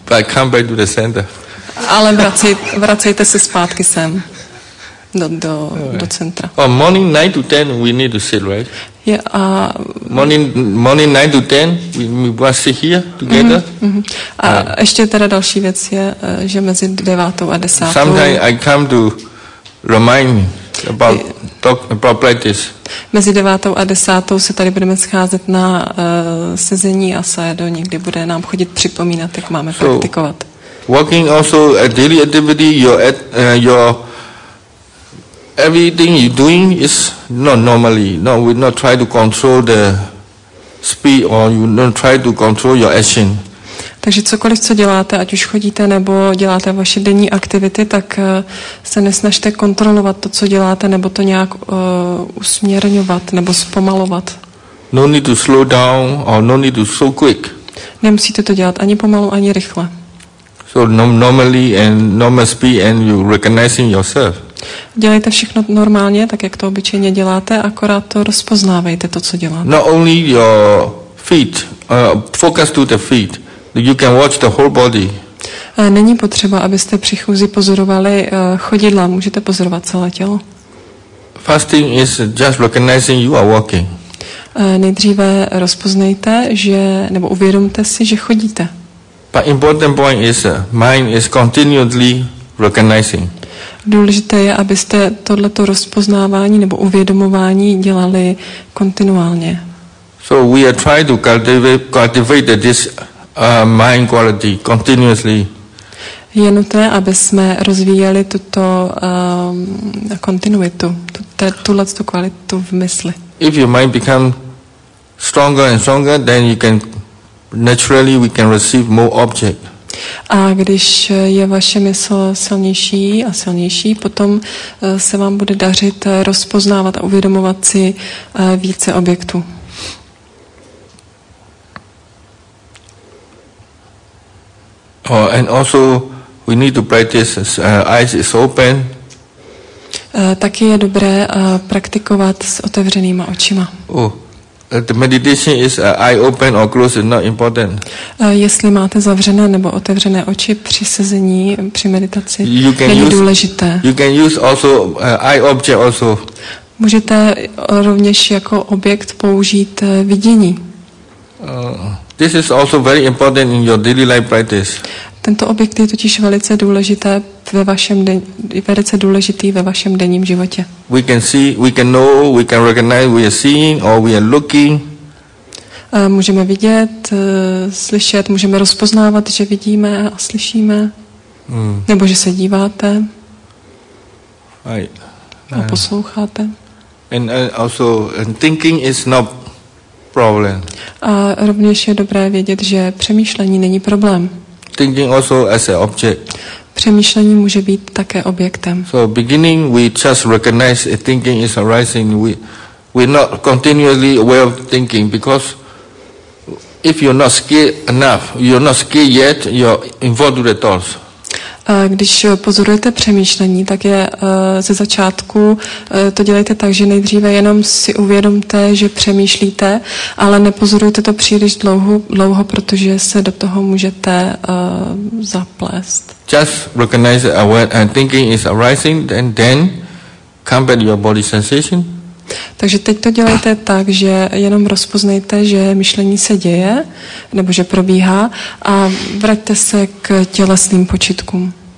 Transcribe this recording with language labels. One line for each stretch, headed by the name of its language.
English: But come back to the center.
Czech: Ale vracejte se zpátky sem do centra.
English: Oh, morning 9 to 10 we need to sit, right? Yeah, morning 9 to 10 we must sit here together. Mm-hmm.
Czech: A ještě teda další věc je, že mezi 9 a 10.
English: Sometimes I come to remind about practice.
Czech: Mezi 9 a 10 se tady budeme scházet na sezení a sajedo, někdy bude nám chodit připomínat, jak máme praktikovat.
English: Walking also a daily activity, your everything you're doing is not normally. No, we not try to control the speed or you don't try to control your action.
Czech: Takže cokoliv, co děláte, ať už chodíte nebo děláte vaše denní aktivity, tak se nesnažte kontrolovat to, co děláte, nebo to nějak usměrňovat nebo zpomalovat.
English: No need to slow down or no need to so quick.
Czech: Nemusíte to dělat ani pomalu, ani rychle.
English: So normally and normal speed and you recognizing yourself.
Czech: Dělejte všechno normálně, tak jak to obyčejně děláte, akorát to rozpoznávejte to, co děláte.
English: Not only your feet, focus to the feet. You can watch the whole body.
Czech: Není potřeba, abyste při chůzi pozorovali chodidla, můžete pozorovat celé tělo.
English: Fasting is just recognizing you are walking.
Czech: Nejdříve rozpoznejte, že nebo uvědomte si, že chodíte.
English: But important point is mind is continually recognizing.
Czech: Důležité je, abyste tohleto rozpoznávání nebo uvědomování dělali kontinuálně.
English: So we are trying to cultivate this mind quality continuously.
Czech: Je nutné, aby jsme rozvíjeli tuto kontinuitu, tuto kvalitu v mysli.
English: If your mind become stronger and stronger, then you can naturally we can receive more object.
Czech: A když je vaše mysl silnější a silnější, potom se vám bude dařit rozpoznávat a uvědomovat si více objektů.
English: Oh, and also we need to practice eyes is open.
Czech: Taky je dobré praktikovat s otevřenýma očima.
English: The meditation is eye open or close is not important.
Czech: Jestli máte zavřené nebo otevřené oči při sezení, při meditaci, není důležité.
English: You can use also eye object also.
Czech: Můžete rovněž jako objekt použít vidění.
English: This is also very important in your daily life practice.
Czech: Tento objekt je totiž velice důležité ve vašem velice důležitý ve vašem denním životě.
English: We can see, we can know, we can recognize, we are seeing or we are looking.
Czech: Můžeme vidět, slyšet, můžeme rozpoznávat, že vidíme a slyšíme. Nebo že se díváte.
English: Right.
Czech: A posloucháte.
English: And also thinking is not problem.
Czech: A rovněž je dobré vědět, že přemýšlení není problém.
English: Thinking also as an object.
Czech: Přemýšlení může být také objektem.
English: So beginning we just recognize a thinking is arising. We're not continually aware of thinking because if you're not skilled enough, you're not skilled yet, you're involved with the thoughts.
Czech: Když pozorujete přemýšlení, tak je ze začátku to dělejte tak, že nejdříve jenom si uvědomte, že přemýšlíte, ale nepozorujte to příliš dlouho, protože se do toho můžete zaplést.
English: Just recognize that aware and thinking is arising, then come back to your body sensation.
Czech: Takže teď to dělejte tak, že jenom rozpoznejte, že myšlení se děje, nebo že probíhá, a vraťte se k tělesným počitkům.